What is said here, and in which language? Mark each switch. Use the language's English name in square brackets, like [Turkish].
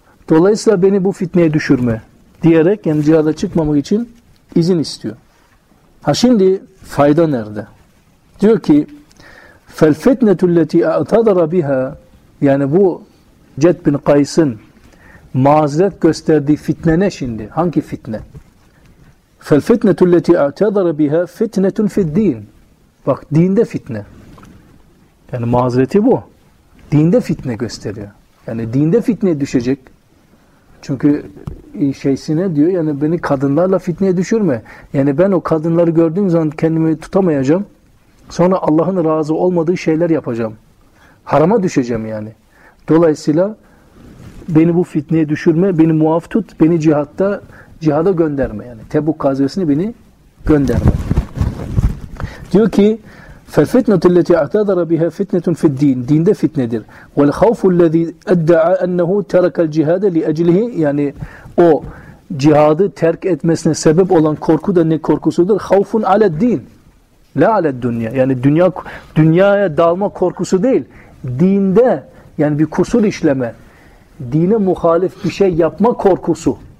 [Turkish] Dolayısıyla beni bu fitneye düşürme diyerek yani cihada çıkmamak için izin istiyor. Ha şimdi fayda nerede? Diyor ki [Arabic] فَالْفِتْنَةُ الَّتِي اَعْتَدَرَ بِهَا [Turkish] Yani bu Cedd bin Kays'ın mazeret gösterdiği fitne ne şimdi? Hangi fitne? [Arabic] فَالْفِتْنَةُ الَّتِي اَعْتَدَرَ بِهَا فِتْنَةٌ فِي الدِّينِ [Turkish] Bak dinde fitne. Yani mazereti bu. Dinde fitne gösteriyor. Yani dinde fitneye düşecek. Çünkü şeysine diyor yani beni kadınlarla fitneye düşürme. Yani ben o kadınları gördüğüm zaman kendimi tutamayacağım. Sonra Allah'ın razı olmadığı şeyler yapacağım. Harama düşeceğim yani. Dolayısıyla beni bu fitneye düşürme, beni muaf tut, beni cihatta, cihada gönderme yani. Tebuk gazvesine beni gönderme. Diyor ki, [Arabic] فَالْفِتْنَةُ الَّتِي اَعْتَذَرَ بِهَا فِتْنَةٌ فِي الدِّينِ [Turkish] Dinde fitnedir. [Arabic] وَالْخَوْفُ الَّذِي اَدَّعَى اَنَّهُ تَرَكَ الْجِهَادَ لِأَجْلِهِ [Turkish] Yani o cihadı terk etmesine sebep olan korku da ne korkusudur? [Arabic] خَوْفٌ عَلَى الدِّينِ La alet dünya. [Turkish] Yani dünyaya dalma korkusu değil. Dinde yani bir kusur işleme, dine muhalif bir şey yapma korkusu.